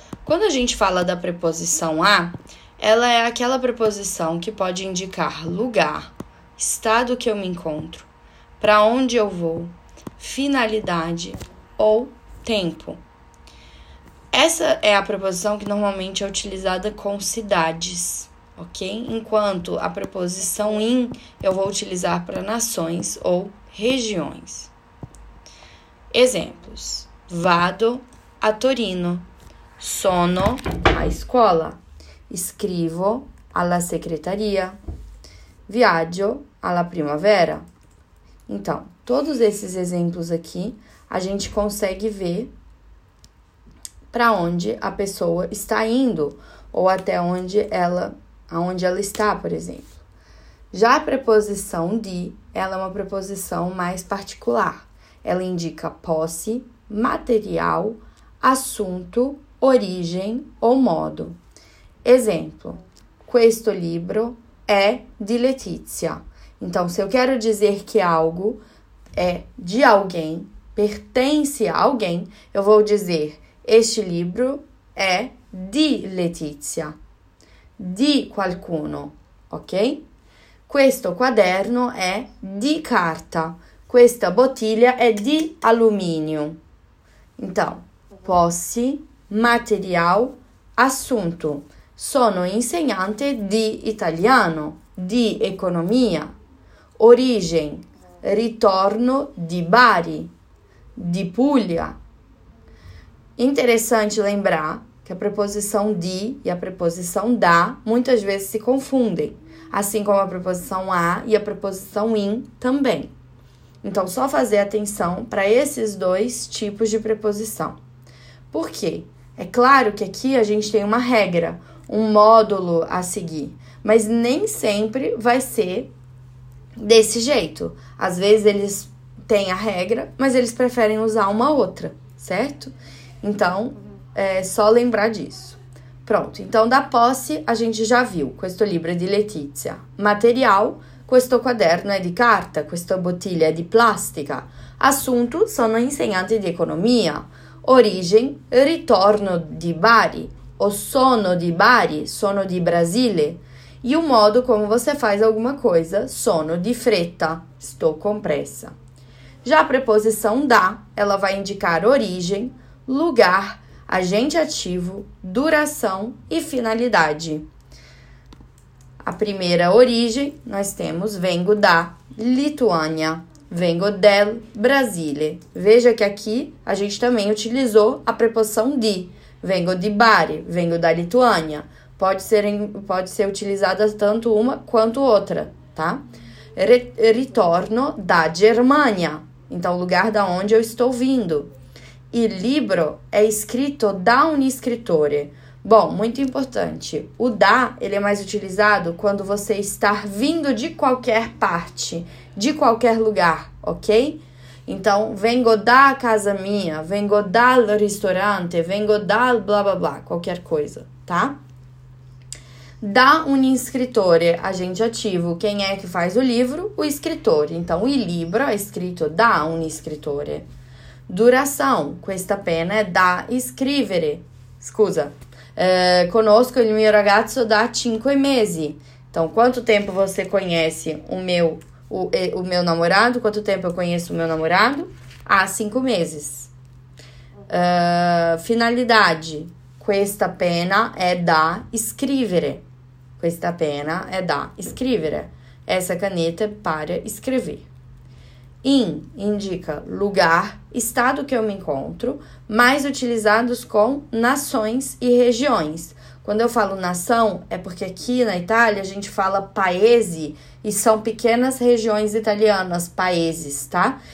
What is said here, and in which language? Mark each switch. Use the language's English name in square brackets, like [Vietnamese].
[Portuguese] Quando a gente fala da preposição a, ela é aquela preposição que pode indicar lugar, estado que eu me encontro, para onde eu vou, finalidade ou tempo. Essa é a preposição que normalmente é utilizada com cidades. Ok? Enquanto a preposição in eu vou utilizar para nações ou regiões. [Italian] Exemplos: vado a Torino, sono a escola, scrivo alla segretaria, viaggio alla primavera. [Portuguese] Então, todos esses exemplos aqui a gente consegue ver para onde a pessoa está indo ou até onde ela. Aonde ela está, por exemplo. Já a preposição de, ela é uma preposição mais particular. Ela indica posse, material, assunto, origem ou modo. [Italian] Exemplo: questo libro é di Letizia. [Portuguese] Então, se eu quero dizer que algo é de alguém, pertence a alguém, eu vou dizer: este [Italian] libro é di Letizia. Di qualcuno, ok? Questo quaderno è di carta. Questa bottiglia è di alluminio. [Portuguese] Então, posse, material, assunto. [Italian] Sono insegnante di italiano, di economia. Origem, ritorno di Bari, di Puglia. [Portuguese] Interessante lembrar que a preposição de e a preposição da muitas vezes se confundem, assim como a preposição a e a preposição in também. Então, só fazer atenção para esses dois tipos de preposição. Por quê? É claro que aqui a gente tem uma regra, um módulo a seguir, mas nem sempre vai ser desse jeito. Às vezes eles têm a regra, mas eles preferem usar uma outra, certo? Então, é só lembrar disso. Pronto, então da posse a gente já viu. [Italian] Questo libro è di Letizia. Material, questo quaderno è di carta. Questa bottiglia è di plastica. Assunto, sono insegnante di economia. Origine, ritorno di Bari. O sono di Bari, sono di Brasile. [Portuguese] E o modo come você faz alguma coisa, [Italian] sono di fretta, sto con pressa. [Portuguese] Já a preposição da, ela vai indicar origem, lugar, agente ativo, duração e finalidade. A primeira origem, nós temos [Italian] vengo da Lituânia, vengo del Brasile. [Portuguese] Veja que aqui a gente também utilizou a preposição de. [Italian] Vengo di Bari, vengo da Lituânia. [Portuguese] Pode ser utilizada tanto uma quanto outra, tá? [Italian] Ritorno da Germania, [Portuguese] então lugar da onde eu estou vindo. [Italian] Il libro è scritto da un scrittore. [Portuguese] Bom, muito importante. O da, ele é mais utilizado quando você está vindo de qualquer parte, de qualquer lugar, ok? Então, [Italian] vengo da casa minha, vengo dal ristorante, vengo dal blá blá [Portuguese] blá, qualquer coisa, tá? [Italian] Da un scrittore, [Portuguese] agente ativo. Quem é que faz o livro? O escritor. Então, [Italian] il libro è scritto da un scrittore. [Portuguese] Duração, [Italian] questa pena è da scrivere. Scusa, conosco il mio ragazzo da 5 mesi. [Portuguese] Então, quanto tempo você conhece o meu namorado? Quanto tempo eu conheço o meu namorado? Há 5 meses. Finalidade, [Italian] questa pena è da scrivere. Questa pena è da scrivere. [Portuguese] Essa caneta è para escrever. In indica lugar, estado que eu me encontro, mais utilizados com nações e regiões. Quando eu falo nação, é porque aqui na Itália a gente fala paese e são pequenas regiões italianas, paeses, tá?